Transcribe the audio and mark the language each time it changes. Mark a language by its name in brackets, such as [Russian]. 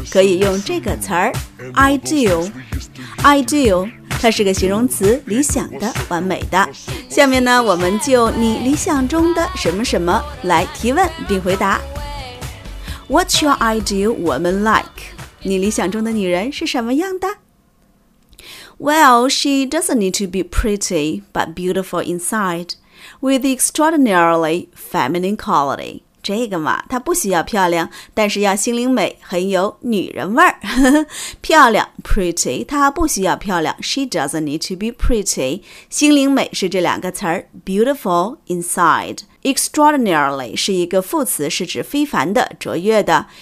[Chinese] 可以用这个词儿 ideal，它是个形容词，理想的，完美的。下面呢，我们就你理想中的什么什么来提问并回答。 [English] What's your ideal woman like? [Chinese] 你理想中的女人是什么样的？ [English] Well, she doesn't need to be pretty, but beautiful inside, with extraordinarily feminine quality. [Chinese] 这个嘛，她不需要漂亮，但是要心灵美，很有女人味儿。漂亮 [English] Pretty, [Chinese] 她不需要漂亮 [English] She doesn't need to be pretty. [Chinese] 心灵美是这两个词儿 [English] Beautiful inside. [Chinese] Extraordinarily 是一个副词，是指非凡的、卓越的。